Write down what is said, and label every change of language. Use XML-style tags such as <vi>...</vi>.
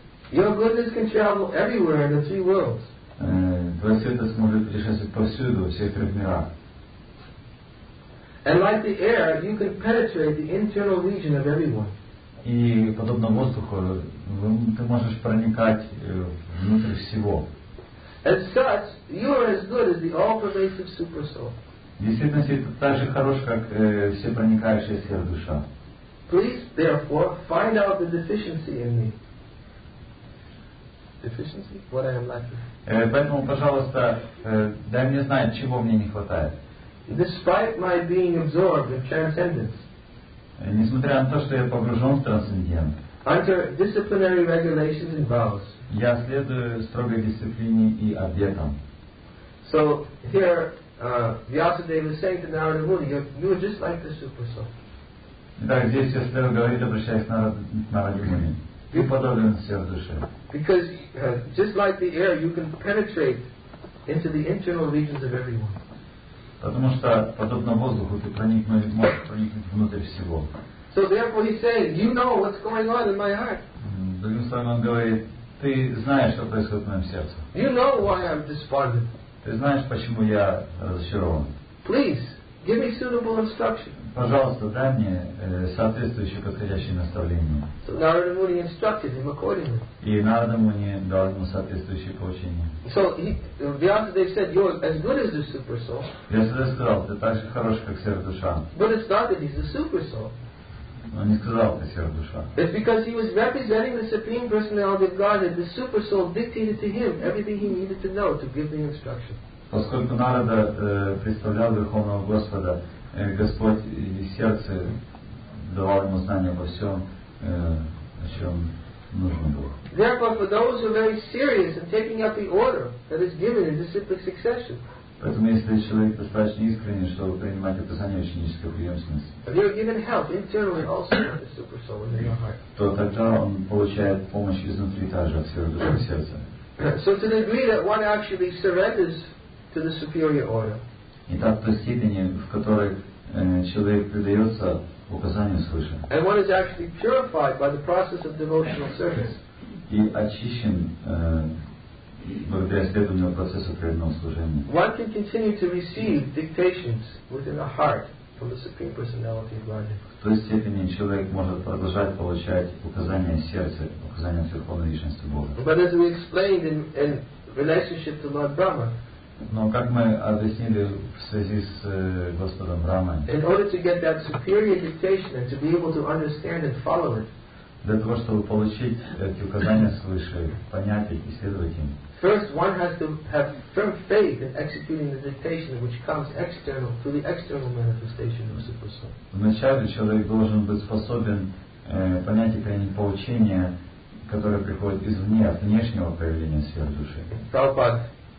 <en>Your goodness can travel everywhere in the three worlds.</en> <ru>Твоя света сможет путешествовать повсюду, во всех трех мирах.</ru> <en>And like the air, you can penetrate the internal region of everyone.</en> <ru>И подобно воздуху, ты можешь проникать внутрь всего.</ru> <en>As such, you are as good as the all-pervasive supersoul.</en> <ru>Действительно, ты так же хорош, как все проникающие сверхдуша.</ru> <en>Please, therefore, find out the deficiency in me. Deficiency? What I am lacking.</en> <ru>Поэтому, пожалуйста, дай мне знать, чего мне не хватает.</ru> <en>Despite my being absorbed in transcendence.</en> <ru>Несмотря на то, что я погружен в трансцендент.</ru> <en>Under disciplinary regulations and vows.</en> <ru>Я следую строгой дисциплине и обетам.</ru> <en>So here, Vyasadeva is saying to Narada Muni, you are just like the super soul.</en> <ru>Итак, здесь все слева говорит, обращаясь к Нараде Муни. Ты подобен сверхдуше.</ru> <en>Because just like the air, you can penetrate into the internal regions of everyone.</en> <ru>Потому что подобно воздуху ты можешь проникнуть внутрь всего.</ru> <en>So therefore he's saying, you know what's going on in my heart.</en> <ru>Другим словом он говорит, ты знаешь, что происходит в моем сердце.</ru> <en>You know why I'm despondent.</en> <ru>Ты знаешь, почему я разочарован.</ru> <en>Please give me suitable instruction.</en> <ru>Пожалуйста, дай мне соответствующее подходящее наставление.</ru> <en>So Narada Muni instructed him accordingly.</en> <ru>И Narada Muni дал ему соответствующее поучение.</ru> <en>So Vyasadeva said, you're as good as the super soul.</en> <ru>Vyasadeva сказал, ты так же хорош, как сверхдуша.</ru> <en>But it's not that he's the super soul.</en> <ru>Он не сказал, ты сверхдуша.</ru> <en>It's because he was representing the supreme personality of God, and the super soul dictated to him everything he needed to know to give the instruction.</en> <ru>Поскольку Narada представлял Верховного Господа. Господь из сердца давал ему знания обо всем, о чем нужно было.</ru> <en>Therefore, for those who are very serious in taking up the order that is given in disciplic succession.</en> <ru>Поэтому, если человек достаточно искренний, чтобы принимать указания ученической преемственности,</ru> <en>you are given help internally also from the super soul in your heart.</en> <ru>То тогда он получает помощь изнутри также от сверхдуши сердца.</ru> <en>So to the degree that one actually surrenders to the superior order.</en> <ru>И так в той степени, в которой человек предается указанию свыше.</ru> <en>And one is actually purified by the process of devotional service.</en> <ru>И очищен благодаря следованию процессу преданного служения.</ru> <en>One can continue to receive dictations within the heart from the Supreme Personality of Godhead.</en> <ru>В той степени человек может продолжать получать указания сердца, указания Верховной Личности Бога.</ru> <en>But as we explained in relationship to Lord Brahma,</en> <ru>но как мы объяснили в связи с Господом Брахмой.</ru> <en>In order to get that superior dictation and to be able to understand and follow it.</en> <ru>Для того, чтобы получить эти указания свыше, понять их и следовать им.</ru> <en>First, one has to have firm faith in executing the dictation which comes external through the external manifestation of super soul.</en> <ru>Вначале человек должен быть способен понять и принять поучение, которое приходит извне, от внешнего проявления сверхдуши.</ru>